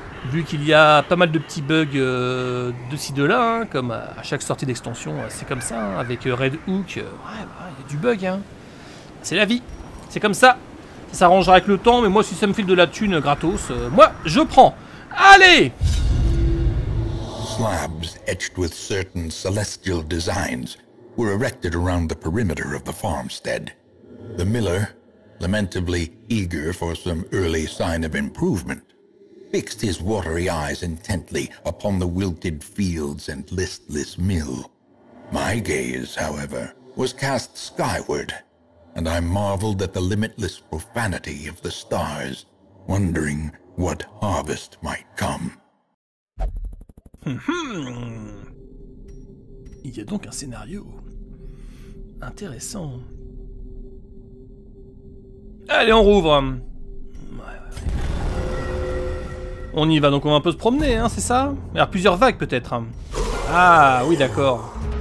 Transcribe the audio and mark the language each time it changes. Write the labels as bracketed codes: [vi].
[fr] Vu qu'il y a pas mal de petits bugs de ci de là, hein, comme à chaque sortie d'extension, c'est comme ça, hein, avec Red Hook, ouais, y a du bug, hein. C'est la vie, c'est comme ça. Ça s'arrangera avec le temps, mais moi si ça me file de la thune gratos, moi je prends. Allez! [en] slabs etched with certain celestial designs were erected around the perimeter of the farmstead. The miller, lamentably eager for some early sign of improvement, fixed his watery eyes intently upon the wilted fields and listless mill. My gaze, however, was cast skyward, and I marveled at the limitless profanity of the stars, wondering what harvest might come. [fr] Il y a donc un scénario intéressant. Allez, on rouvre. On y va, donc on va un peu se promener, hein, c'est ça? Il y a plusieurs vagues peut-être. Ah oui, d'accord.